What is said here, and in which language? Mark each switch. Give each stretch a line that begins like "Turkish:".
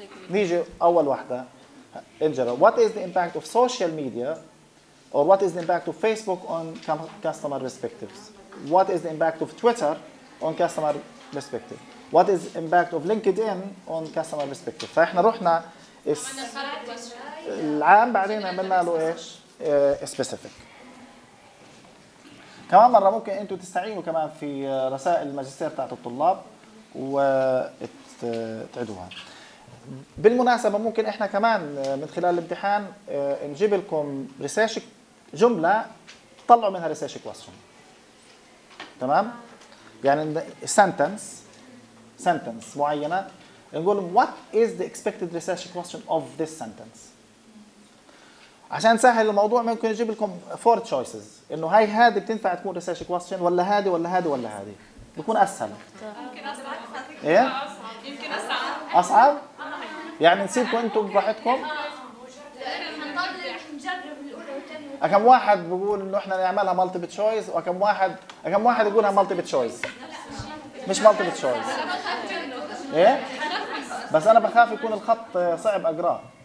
Arabic: نيجي اول واحده انجلو
English: what is the impact of social media or what is the impact of facebook on customer perspectives, what is the impact of twitter on customer perspective, what is the impact of linkedin on customer perspective.
Arabic: فاحنا رحنا العام بعدين عملنا له ايش سبيسيفيك. كمان مره ممكن انتم تستعينوا كمان في رسائل الماجستير تاعت الطلاب وتعدوها. بالمناسبه ممكن احنا كمان من خلال الامتحان نجيب لكم ريسيرش جمله تطلعوا منها ريسيرش كويستشن. تمام. يعني سنتنس معينه نقول
English: what is the expected research question of this sentence.
Arabic: عشان سهل الموضوع ممكن اجيب لكم 4 choices انه هاي هذه بتنفع تكون ريسيرش كويستشن ولا هذه ولا هذه ولا هذه بكون اسهل يمكن اسرع اصعب يعني نسيبكم انتم براحتكم كم واحد بيقول انه احنا نعملها multiple choice وكم واحد يقولها multiple choice مش multiple choice ايه بس انا بخاف يكون الخط صعب اقراه